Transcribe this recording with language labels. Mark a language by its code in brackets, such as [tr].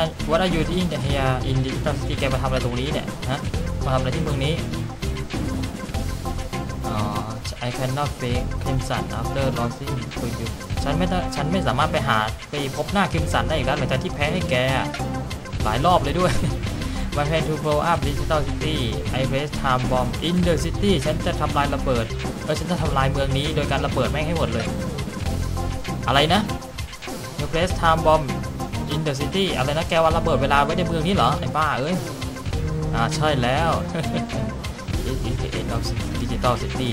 [en] What are you doing here in this place? [th] แกมาทำอะไรตรงนี้เนี่ยฮะมาทำอะไรที่เมืองนี้ [en] I cannot face Crimson after losing to you. [th] ฉันไม่สามารถไปพบหน้าคริมสันได้อีกแล้วหลังจากที่แพ้ให้แกหลายรอบเลยด้วย [en] My plan to blow up Digital City. I place time bomb in the city. [th] ฉันจะทำลายระเบิดฉันจะทำลายเมืองนี้โดยการระเบิดแม่งให้หมดเลยอะไรนะ [en] You place time bomb in the city. [th] อะไรนะแกวันระเบิดเวลาไว้ในเมืองนี้เหรอไอ้บ้าเอ้ยใช่แล้ว [en] This is the end of Digital City.